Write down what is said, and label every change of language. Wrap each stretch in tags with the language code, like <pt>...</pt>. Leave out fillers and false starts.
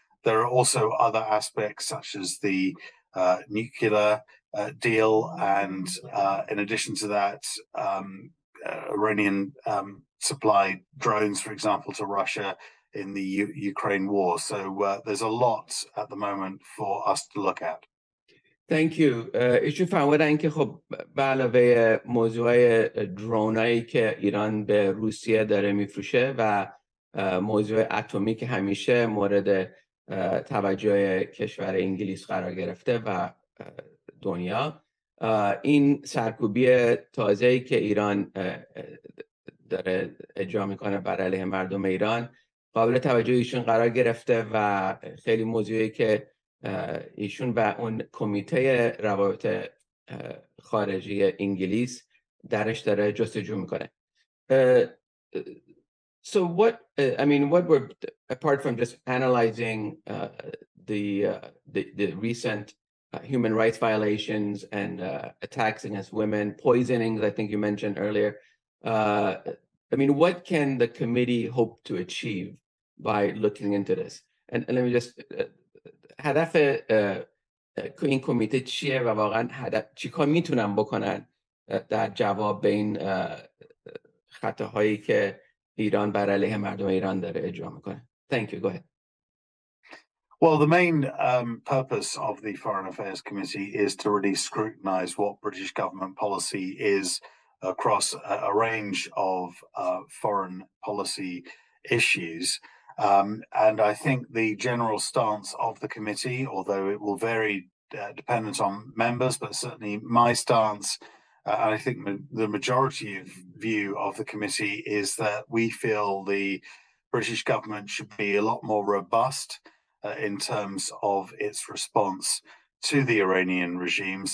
<en>There are also other aspects such as the nuclear deal, and in addition to that, Iranian supply drones, for example, to Russia in the Ukraine war. So there's a lot at the moment for us to look at. Thank you.</en> <fa>ایشون فرمودن که خب به علاوه موضوع درونایی که ایران به روسیه داره میفروشه و موضوع اتمی که همیشه مورد توجه کشور انگلیس قرار گرفته و دنیا، این سرکوبی تازه‌ای که ایران داره اجرا میکنه بر علیه مردم ایران قابل توجه ایشون قرار گرفته و خیلی موضوعی که ایشون و اون کمیته روابط خارجی انگلیس درش داره جستجو میکنه.</fa> <en>So what I mean, what were apart from just analyzing the recent human rights violations and attacks against women, poisonings, I think you mentioned earlier, I mean, what can the committee hope to achieve by looking into this? And let me just</en> <fa>هدف این کمیته چیه و واقعا هدف چیکار میتونن بکنن در جواب به این خطاهایی که ایران بر علیه مردم ایران داره اجرا میکنه.</fa> <en>Thank you. Go ahead. Well, the main purpose of the Foreign Affairs Committee is to really scrutinize what British government policy is across a range of foreign policy issues. And I think the general stance of the committee, although it will vary dependent on members, but certainly my stance, and I think the majority of view of the committee, is that we feel the British government should be a lot more robust in terms of its response to the Iranian regime.</en>